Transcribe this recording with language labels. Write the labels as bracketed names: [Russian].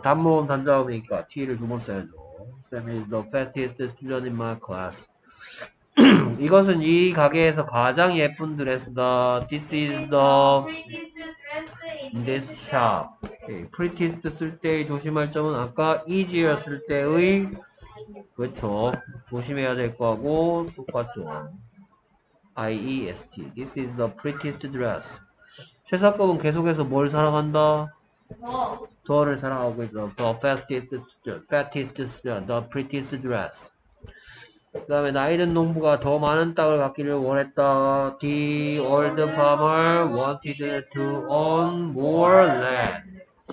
[Korean] 단모음 단자음이니까 T를 두 번 써야죠. [English] Sam is the fattest student in my class. [Korean] 이것은 이 가게에서 가장 예쁜 드레스다. [English] This is the this shop. Okay. [Korean] prettiest 쓸 때의 조심할 점은 아까 easy였을 때의 그렇죠. 조심해야 될 거하고 똑같죠. [English] IEST. This is the prettiest dress. [Korean] 최사급은 계속해서 뭘 사랑한다? 더. 더를 사랑하고 있어. [English] The fattest, fattest, the prettiest dress. [Korean] 그 다음에 나이든 농부가 더 많은 땅을 갖기를 원했다. [English] The old farmer wanted to own more land.